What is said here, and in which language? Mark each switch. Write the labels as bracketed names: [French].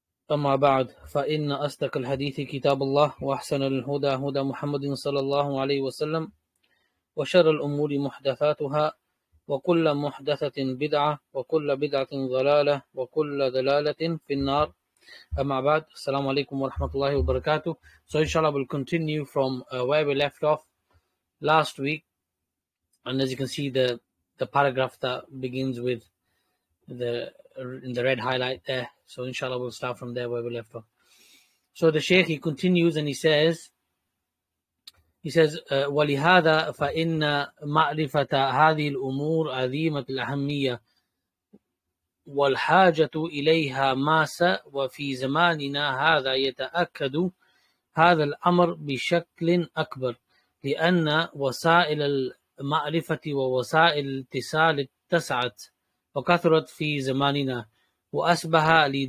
[Arabic] أما بعد فإن أصدق الحديث كتاب الله وأحسن الهدى هدى محمد صلى الله عليه وسلم وشر الأمور محدثاتها وكل محدثة بدعة وكل بدعة ضلالة وكل ضلالة في النار أما بعد السلام عليكم ورحمة الله وبركاته. [English] So inshallah we'll continue from where we left off last week, and as you can see the paragraph that begins with the red highlight there. So inshallah we'll start from there where we left off. So the Shaykh, he continues and he says [Arabic] ولهذا فإن معرفة هذه الأمور عظيمة الأهمية والحاجة إليها ماسة وفي زماننا هذا يتأكد هذا الأمر بشكل أكبر لأن وسائل المعرفة ووسائل الاتصال اتسعت وكثرت في زماننا وأصبح